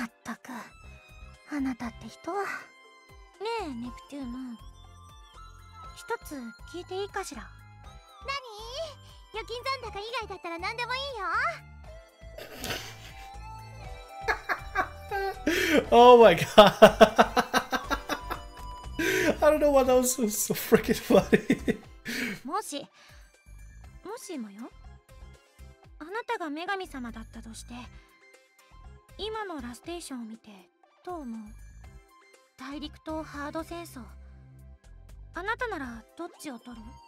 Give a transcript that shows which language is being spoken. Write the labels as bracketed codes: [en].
[ja] まったく、あなたって人は。ねえ、ネプテューヌ。一つ聞いていいかしら。何？預金残高以外だったら何でもいいよ。 [en] Oh my god. I don't know why that was so freaking funny. [ja] もし、もしもよ。あなたが女神様だったとして、今のラステーションを見てどう思う？大陸とハード戦争。あなたならどっちを取る？